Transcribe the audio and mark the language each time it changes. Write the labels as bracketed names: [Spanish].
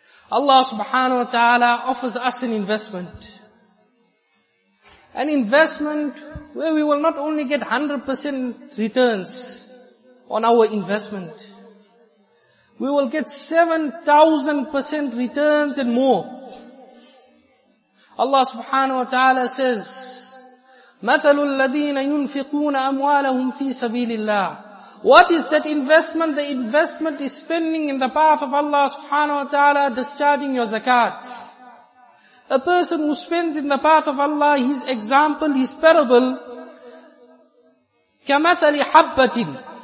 [English] Allah subhanahu wa ta'ala offers us an investment. An investment where we will not only get 100% returns on our investment, we will get 7,000% returns and more. Allah subhanahu wa ta'ala says, [Arabic] مَثَلُ الَّذِينَ يُنْفِقُونَ أَمْوَالَهُمْ فِي سَبِيلِ اللَّهِ. [English] What is that investment? The investment is spending in the path of Allah subhanahu wa ta'ala, discharging your zakat. A person who spends in the path of Allah, his example, his parable, [Arabic] كَمَثَلِ حَبَّةٍ.